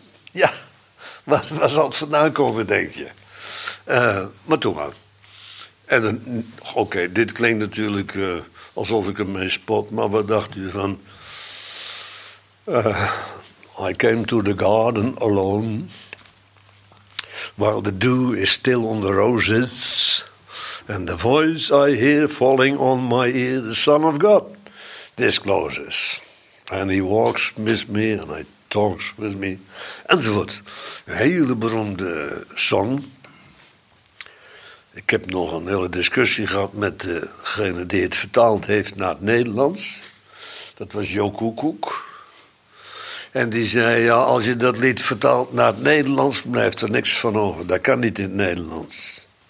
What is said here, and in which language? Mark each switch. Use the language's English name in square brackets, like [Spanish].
[Dutch] Ja, waar zal het vandaan komen, denk je? Maar toe maar. En oké, dit klinkt natuurlijk alsof ik ermee spot. Maar wat dacht u van... [English] I came to the garden alone, while the dew is still on the roses, and the voice I hear falling on my ear, the Son of God, discloses. And he walks with me, and he talks with me, [Dutch] enzovoort. Een hele beroemde song. Ik heb nog een hele discussie gehad met degene die het vertaald heeft naar het Nederlands. Dat was Jo Koekoek. En die zei, ja, als je dat lied vertaalt naar het Nederlands... blijft er niks van over. Dat kan niet in het Nederlands.